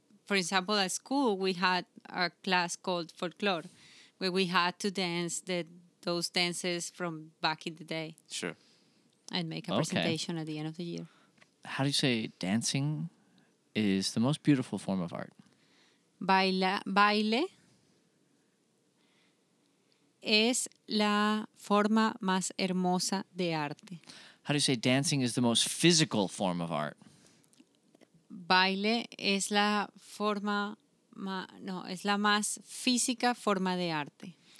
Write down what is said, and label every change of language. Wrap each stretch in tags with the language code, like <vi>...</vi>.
<en>For example, at school, we had a class called folklore, where we had to dance those dances from back in the day. Sure. And make a presentation at the end of the year. How do you say dancing is the most beautiful form of art?</en> <es>Baile es la forma más hermosa de arte.</es> <en>How do you say dancing is the most physical form of art?</en> <es>Baile es la forma, es la más física forma de arte.</es>